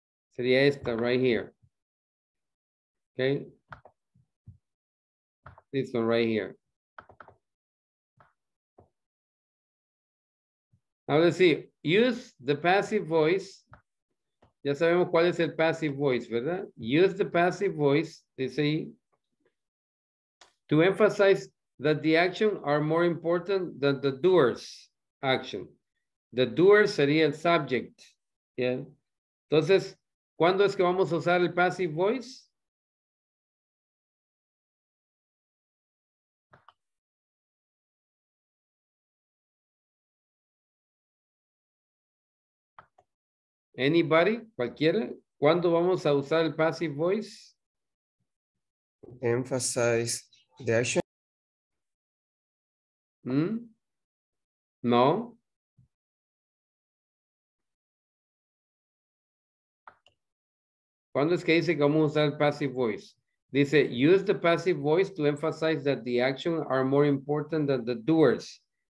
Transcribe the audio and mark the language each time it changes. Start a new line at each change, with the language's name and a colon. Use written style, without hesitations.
Spanish: Sería esta,
English: right here.
Spanish: Okay.
English: This one right here.
Spanish: Ahora sí,
English: use the passive voice.
Spanish: Ya sabemos cuál es el passive voice, ¿verdad?
English: Use the passive voice,
Spanish: dice ahí,
English: to emphasize that the actions are more important than the doer's action. The doer
Spanish: sería el
English: subject. Yeah.
Spanish: Entonces, ¿cuándo es que vamos a usar el passive voice?
English: Anybody,
Spanish: cualquiera, ¿cuándo vamos a usar el passive voice?
English: Emphasize the action. No.
Spanish: ¿Cuándo es que dice que vamos a usar el passive voice? Dice,
English: use the passive voice to emphasize that the actions are more important than the doers.